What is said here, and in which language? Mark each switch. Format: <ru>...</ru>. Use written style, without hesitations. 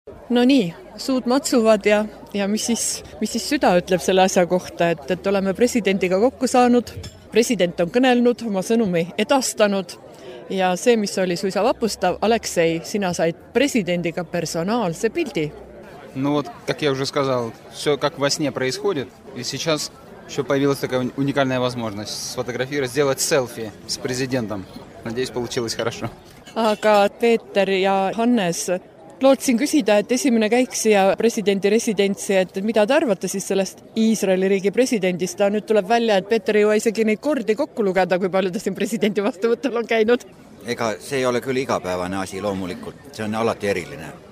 <et>No nii, suud matsuvad ja mis siis süda ütleb selle asja kohta, et oleme presidentiga kokku saanud, president on kõnelnud, oma sõnumi edastanud ja see, mis oli suisa vapustav, Aleksei, sina said presidentiga personaalse pildi.</et> <ru>No vot, как я уже сказал, все как во сне происходит, и сейчас еще появилась такая уникальная возможность сфотографировать, сделать селфи с президентом. Надеюсь, получилось хорошо.</ru> <et>Aga Peeter ja Hannes, lootsin küsida, et esimene käik siia presidenti residentsi, et mida te arvate siis sellest Iisraeli riigi presidentist? Ta nüüd tuleb välja, et Peeter ei ole isegi neid kordi kokku lugeda, kui palju ta siin presidenti vastuvõttel on käinud. Ega see ei ole küll igapäevane asi loomulikult, see on alati eriline.</et>